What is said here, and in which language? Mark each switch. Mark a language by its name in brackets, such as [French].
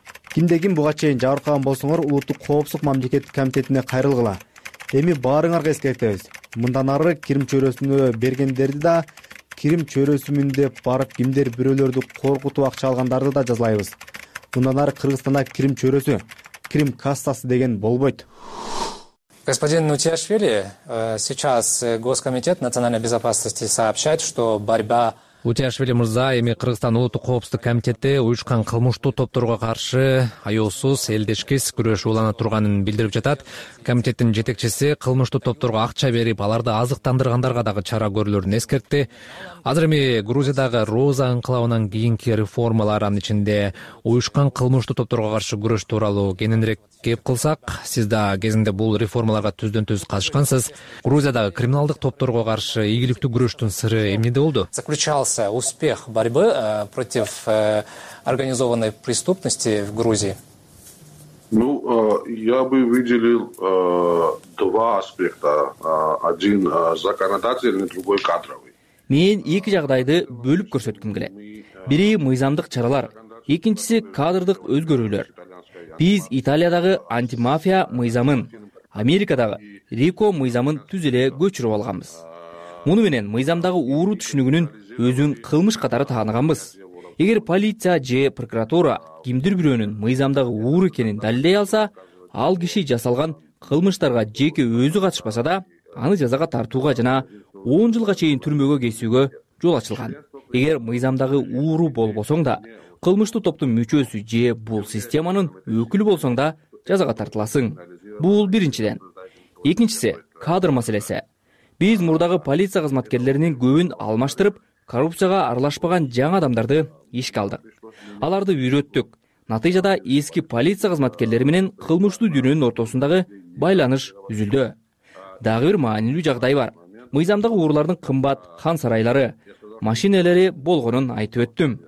[Kyrgyz] Кимде ким буга чейин жабыркаган болсоңор, улуттук коопсуздук мамлекеттик комитетине кайрылгыла. Эми баарыңарга эскертебиз. Мындан ары кирим чөйрөсүнө бергендерди да, кирим чөйрөсү мүндө барып кимдер бирөөлөрдү коркутуп акча алгандарды да жазалайбыз. Мындан ары Кыргызстанда кирим чөйрөсү, кирим кассасы деген болбойт. [Russian] Господин Утиашвили, сейчас Госкомитет национальной безопасности сообщает, что борьба... [Kyrgyz] Утиашвили мырза, эми Кыргызстан улуттук коопсуздук комитети уюшкан кылмыштуу топторго каршы аёосуз элдешкис күрөш улана турганын билдирип жатат. Комитеттин жетекчиси кылмыштуу топторго акча берип, аларды азыктандыргандарга дагы чара көрүлөрүн эскертти. Азыр эми Грузиядагы Роза инкылабынан кийинки реформалардын ичинде уюшкан кылмыштуу топторго каршы күрөш тууралуу кененирээк кеп кылсак, сиз да кезинде бул реформаларга түздөн-түз катышкансыз. Грузиядагы криминалдык топторго каршы ийгиликтүү күрөштүн сыры эмнеде болду? [Russian] Заключался успех борьбы против организованной преступности в Грузии? Ну, я бы выделил два аспекта. Один законодательный, другой кадровый. [Kyrgyz] Мен эки жагдайды бөлүп көрсөткүм келет. Бири мыйзамдык чаралар, экинчиси кадрдык өзгөрүүлөр. Биз Италиядагы антимафия мыйзамын, Америкадагы РИКО мыйзамын түз эле көчүрүп алганбыз. Муну менен мыйзамдагы уру түшүнүгүнүн өзүн кылмыш катары тааныганбыз. Эгер полиция же прокуратура кимдир бирөөнүн мыйзамдагы уру экенин далилдей алса, ал киши жасалган кылмыштарга жеке өзү катышпаса да, аны жазага тартууга жана 10 жылга чейин түрмөгө кесүүгө жол ачылган. Эгер мыйзамдагы уру болбосоң да, кылмыштуу топтун мүчөсү же бул системанын өкүлү болсоң да жазага тартыласың. Бул биринчиден. Экинчиси кадр маселеси. Биз мурдагы полиция кызматкерлеринин көбүн алмаштырып, коррупцияга аралашпаган жаңы адамдарды ишке алдык. Аларды үйрөттүк. Натыйжада эски полиция кызматкерлери менен кылмыштуу дүйнөнүн ортосундагы байланыш үзүлдү. Дагы бир маанилүү жагдай бар. Мыйзамдагы уурлардын кымбат хан сарайлары, машинелери болгонун айтып өттүм.